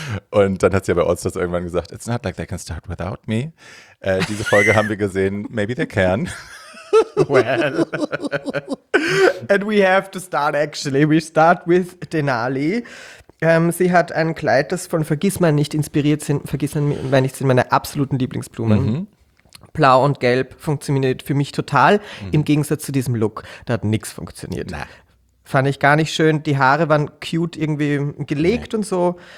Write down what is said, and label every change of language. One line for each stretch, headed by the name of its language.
German: Und dann hat sie ja bei Allstars irgendwann gesagt,
English: it's not like they can start without me.
German: Diese Folge haben wir gesehen,
English: maybe they can. Well, and we have to start actually. We start with Denali.
German: Sie hat ein Kleid, das von Vergissmeinnicht inspiriert sind. Vergissmeinnicht sind meine absoluten Lieblingsblumen. Mhm. Blau und Gelb funktioniert für mich total. Mhm. Im Gegensatz zu diesem Look, da hat nichts funktioniert. Nah. Fand ich gar nicht schön. Die Haare waren cute irgendwie gelegt und so.